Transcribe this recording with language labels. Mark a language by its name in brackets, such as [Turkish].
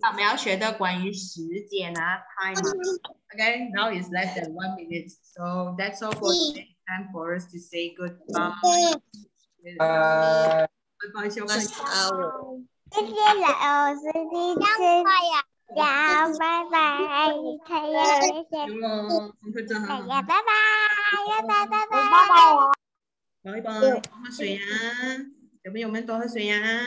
[Chinese] 我们要学的关于时间啊 ，time. [English] OK. Now it's less than 1 minute. So that's all for today. Time for us to say goodbye. Goodbye, [Chinese] 小朋友。谢谢老师的支持，好，拜拜，爱你，太阳，谢谢，太阳，拜拜，拜拜，拜拜，拜拜，宝宝，多喝水呀，小朋友们多喝水呀，